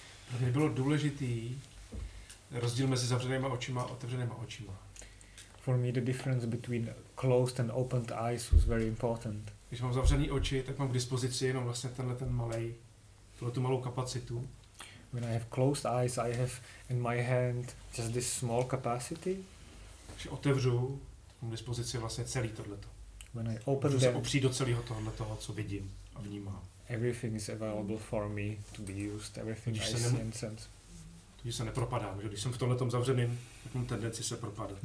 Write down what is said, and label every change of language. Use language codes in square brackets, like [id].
[cs] Pro mě bylo důležitý rozdíl mezi zavřenýma očima a otevřenýma očima. [en] For me the difference between closed and opened eyes was very important. [cs] Když mám zavřený oči, tak mám k dispozici jenom vlastně tenhle ten malej, tohle tu malou kapacitu. [en] When I have closed eyes, I have in my hand just this small capacity. [cs] Když otevřu, mám k dispozici vlastně celý tohleto. [en] When I open [cs] them, můžu se opřít do celého tohle toho, co vidím a vnímám. [en] Everything is available for me to be used, everything I see and sense. [cs] Když se nepropadám, že když jsem v tomhle tom zavřeným, tak mám tendenci se propadat.